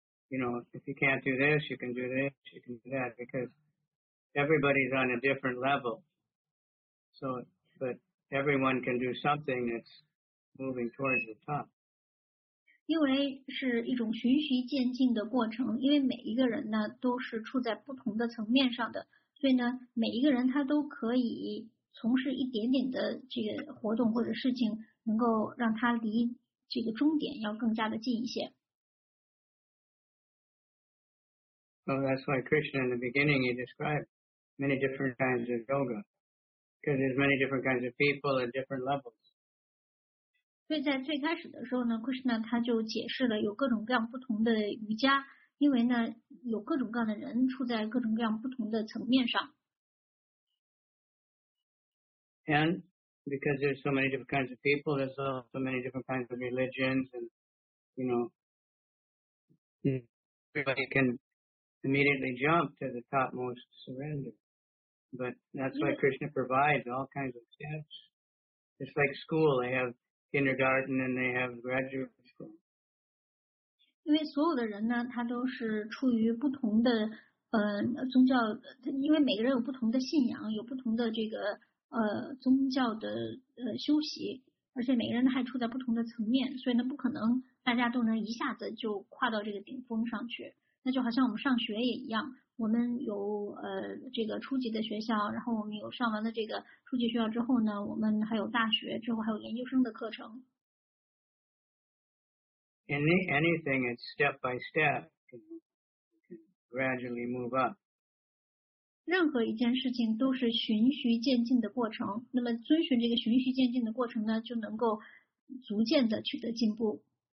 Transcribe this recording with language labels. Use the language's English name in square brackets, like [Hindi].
[English] You know, if you can't do this, you can do this, you can do that, because everybody's on a different level. So, but everyone can do something that's moving towards the top. [Chinese] 因为是一种循序渐进的过程，因为每一个人呢都是处在不同的层面上的，所以呢每一个人他都可以从事一点点的这个活动或者事情，能够让他离这个终点要更加的近一些。 [English] Well, that's why Krishna in the beginning, he described many different kinds of yoga. Because there's many different kinds of people at different levels. [Chinese] 所以在最开始的时候呢 ,Krishna 他就解释了有各种各样不同的瑜伽，因为呢有各种各样的人处在各种各样不同的层面上。 [English] And because there's so many different kinds of people, there's also many different kinds of religions, and, you know, everybody can. Immediately jump to the topmost surrender. But that's why Krishna provides all kinds of steps. It's like school. They have kindergarten and they have graduate school. [Chinese] 因为所有的人呢他都是处于不同的宗教，因为每个人有不同的信仰，有不同的这个宗教的修习，而且每个人还处在不同的层面，所以呢不可能大家都能一下子就跨到这个顶峰上去。那就好像我们上学也一样，我们有这个初级的学校，然后我们有上完了这个初级学校之后呢，我们还有大学，之后还有研究生的课程。 [English] Anything, it's step by step, gradually move up. [Chinese] 任何一件事情都是循序渐进的过程，那么遵循这个循序渐进的过程呢，就能够逐渐的取得进步。